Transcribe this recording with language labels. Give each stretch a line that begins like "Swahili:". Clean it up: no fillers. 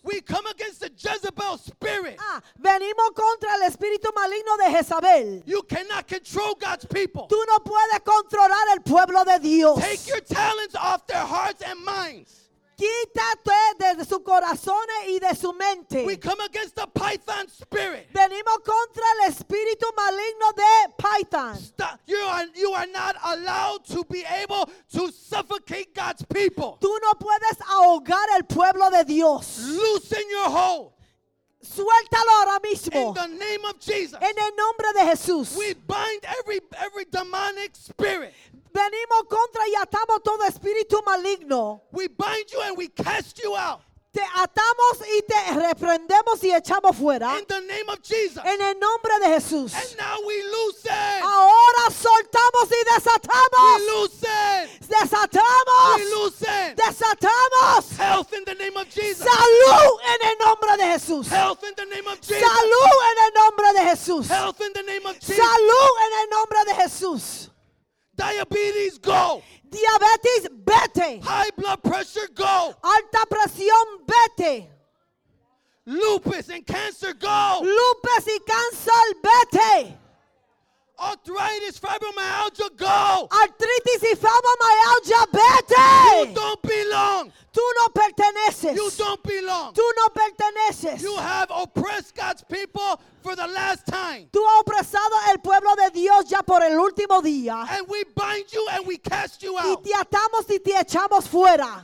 English: We come against the Jezebel spirit.
Spanish: Venimos contra el espíritu maligno de Jezabel.
English: You cannot control God's people.
Spanish: Tú no puedes controlar el pueblo de Dios.
English: Take your talents off their hearts and minds.
Spanish: Quítate de su corazón y de su mente.
English: We come against the Python spirit.
Spanish: Venimos contra el espíritu maligno de Python.
English: Stop. You are not allowed to be able to suffocate God's people.
Spanish: Tú no puedes ahogar el pueblo de Dios.
English: Loosen your hold.
Spanish: Suéltalo ahora mismo.
English: In the name of Jesus.
Spanish: En el nombre de Jesús.
English: We bind every demonic spirit.
Spanish: Venimos contra y atamos todo espíritu maligno.
English: We bind you and we cast you out.
Spanish: Te atamos y te reprendemos y echamos fuera.
English: In the name of Jesus.
Spanish: En el nombre de Jesús.
English: And now we loosen.
Spanish: Ahora soltamos y desatamos.
English: We loosen.
Spanish: Desatamos.
English: We loosen.
Spanish: Desatamos.
English: Health in the name of Jesus.
Spanish: Salud en el nombre de Jesús.
English: Health in the name of Jesus.
Spanish: Salud en el nombre de Jesús.
English: Health in the name of Jesus.
Spanish: Salud en el nombre de Jesús.
English: Diabetes, go.
Spanish: Diabetes, vete.
English: High blood pressure, go.
Spanish: Alta presión, vete.
English: Lupus and cancer, go.
Spanish: Lupus y cáncer, vete.
English: Arthritis, fibromyalgia, go.
Spanish: Arthritis y fibromyalgia, vete.
English: You don't belong.
Spanish: Tú no perteneces.
English: You don't belong.
Spanish: Tú no perteneces.
English: You have oppressed God's people for the last time.
Spanish: Tú has opresado el pueblo de Dios ya por el último día.
English: And we bind you and we cast you out.
Spanish: Y te atamos y te echamos fuera.